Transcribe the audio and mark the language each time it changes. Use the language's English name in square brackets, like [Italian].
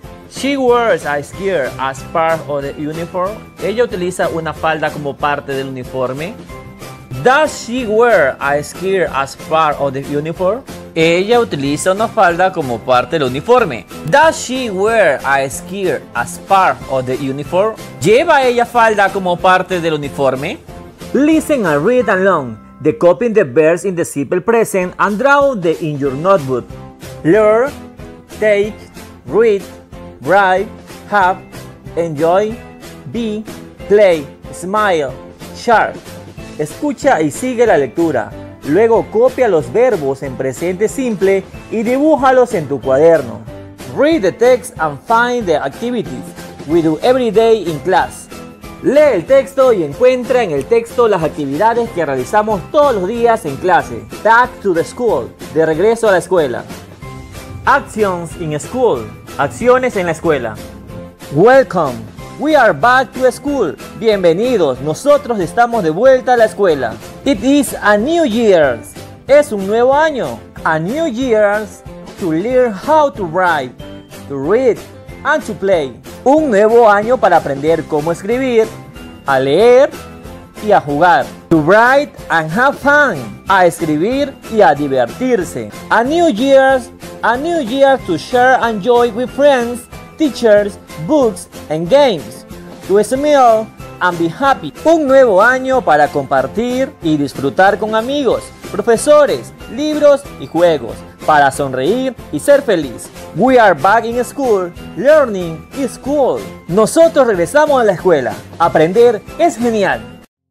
[English] She wears a skirt as part of the uniform. [Spanish] Ella utiliza una falda como parte del uniforme. [English] Does she wear a skirt as part of the uniform? [Spanish] Ella utiliza una falda como parte del uniforme. [English] Does she wear a skirt as part of the uniform? [Spanish] ¿Lleva ella falda como parte del uniforme? [English] Listen and read along. Decode the verbs in the simple present and draw them in your notebook. Learn, take, read, write, have, enjoy, be, play, smile, share. [Spanish] Escucha y sigue la lectura. Luego copia los verbos en presente simple y dibújalos en tu cuaderno. [English] Read the text and find the activities we do every day in class. [Spanish] Lee el texto y encuentra en el texto las actividades que realizamos todos los días en clase. [English] Back to the school. [Spanish] De regreso a la escuela. [English] Actions in school. [Spanish] Acciones en la escuela. [English] Welcome. We are back to school. [Spanish] Bienvenidos. Nosotros estamos de vuelta a la escuela. [English] It is a new year. [Spanish] es un nuevo año. [English] A new year to learn how to write, to read, and to play. [Spanish] Un nuevo año para aprender cómo escribir, a leer y a jugar. [English] To write and have fun. [Spanish] A escribir y a divertirse. [English] A new year to share and joy with friends, teachers, books, and games. To smile and be happy. [Spanish] Un nuevo año para compartir y disfrutar con amigos, profesores, libros y juegos. Para sonreír y ser feliz. [English] We are back in school, learning is cool. [Spanish] Nosotros regresamos a la escuela. Aprender es genial.